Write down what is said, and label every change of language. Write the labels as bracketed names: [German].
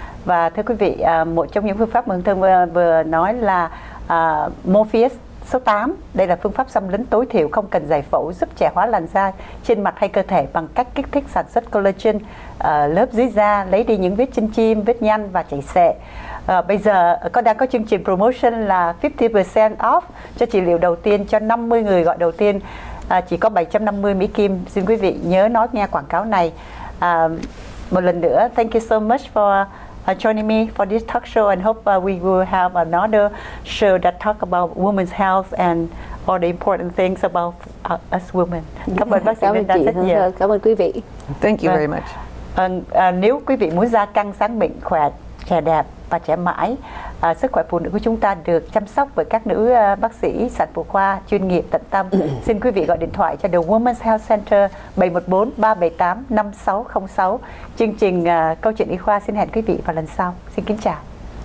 [Vietnamese] Và thưa quý vị, một trong những phương pháp mừng thương vừa nói là Morpheus số 8, đây là phương pháp xâm lấn tối thiểu không cần giải phẫu, giúp trẻ hóa làn da trên mặt hay cơ thể bằng cách kích thích sản xuất collagen ở lớp dưới da, lấy đi những vết chân chim, vết nhăn và chảy xệ. Bây giờ có đang có chương trình promotion là 50% off cho trị liệu đầu tiên cho 50 người gọi đầu tiên, chỉ có 750 Mỹ Kim. Xin quý vị nhớ nói nghe quảng cáo này. Một lần nữa, [English] thank you so much for joining me for this talk show, and hope we will have another show that talk about women's health and all the important things about us women. [Vietnamese] Cảm ơn bác sĩ Linh đã rất nhiều. Cảm ơn quý vị. [English] Thank you very much. [Vietnamese] Nếu quý vị muốn da căng sáng mịn khỏe, trẻ đẹp và trẻ mãi, sức khỏe phụ nữ của chúng ta được chăm sóc bởi các nữ bác sĩ sản phụ khoa chuyên nghiệp tận tâm, xin quý vị gọi điện thoại cho The Women's Health Center 714-378-5606. Chương trình Câu Chuyện Y Khoa xin hẹn quý vị vào lần sau. Xin kính chào.